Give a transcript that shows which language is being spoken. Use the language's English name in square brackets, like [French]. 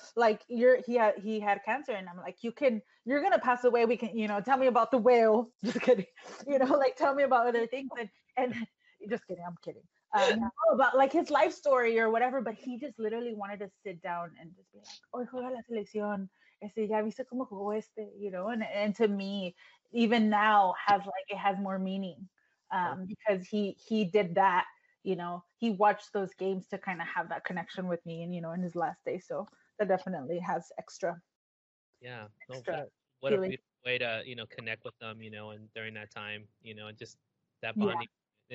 [English] Like, he had cancer, and I'm like, you're going to pass away. We can, you know, tell me about the whale. Just kidding. You know, like, tell me about other things. And just kidding, I'm kidding. About like his life story or whatever, but he just literally wanted to sit down and just be like, [Spanish] "Hoy juega la selección." Ese ya viste cómo jugó este, [English] you know. And to me, even now, has like it has more meaning because he did that, you know. He watched those games to kind of have that connection with me, and you know, in his last day. So that definitely has extra. Yeah, extra feeling. What a beautiful way to, you know, connect with them, you know, and during that time, you know, and just that bonding. Yeah.